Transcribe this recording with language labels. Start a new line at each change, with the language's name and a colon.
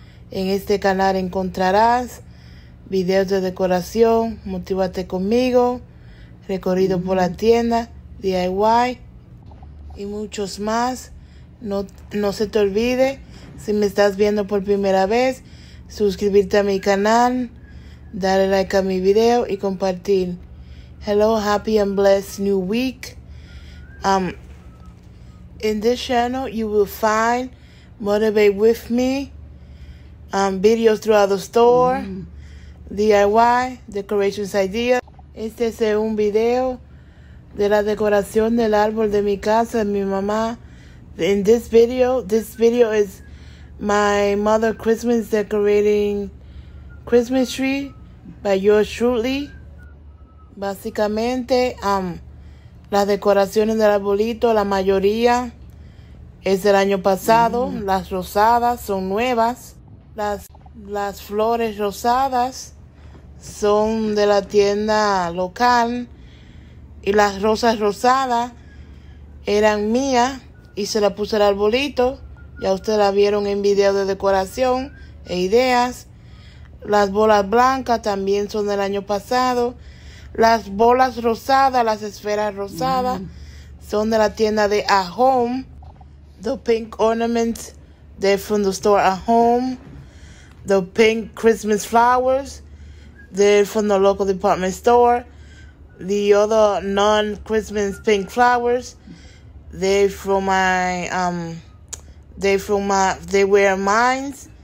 Spanish: En este canal encontrarás videos de decoración, motívate conmigo, recorrido por la tienda, DIY y muchos más. No se te olvide, si me estás viendo por primera vez, suscribirte a mi canal, darle like a mi video y compartir.
English: Hello, happy and blessed new week. In this channel, you will find Motivate With Me, videos throughout the store, DIY, decorations ideas.
Spanish: Este es un video de la decoración del árbol de mi casa, de mi mamá.
English: In this video is my mother Christmas decorating Christmas tree by yours truly.
Spanish: Básicamente, las decoraciones del arbolito, la mayoría es del año pasado. Las rosadas son nuevas. Las flores rosadas son de la tienda local. Y las rosas rosadas eran mías. Y se la puse al arbolito. Ya ustedes la vieron en video de decoración e ideas. Las bolas blancas también son del año pasado. Las bolas rosadas, las esferas rosadas, son de la tienda de A Home.
English: The pink ornaments, they're from the store A Home. The pink Christmas flowers, they're from the local department store. The other non-Christmas pink flowers, they were mine.